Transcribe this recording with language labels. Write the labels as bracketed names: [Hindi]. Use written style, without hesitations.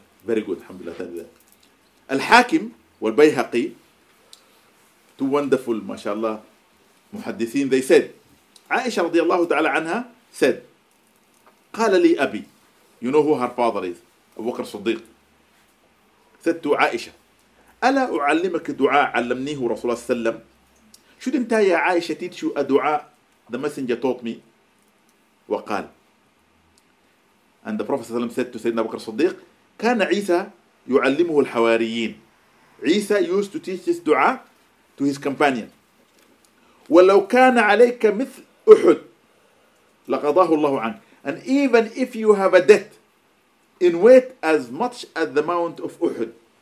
[English] Very good, alhamdulillah. Al-Hakim wal-Bayhaqi, two wonderful, mashallah, muhaddithin, they said, Aisha radiallahu ta'ala anha said, [Arabic] قال لي أبي, [English] you know who her father is, Abu Bakr Siddiq, said to Aisha, [Arabic] ألا أعلمك دعاء علمنيه رسول الله سلم [English] Shouldn't I, Aisha, teach you a dua? The messenger taught me. وقال. And the Prophet ﷺ said to Sayyidina Abu Bakr Siddiq, [Arabic] كان عيسى يعلمه الحواريين. [English] Isa used to teach this dua to his companion. [Arabic] ولو كان عليك مثل أحد لقضاه الله عنك. [English] And even if you have a debt, in weight as much as the Mount of Uhud.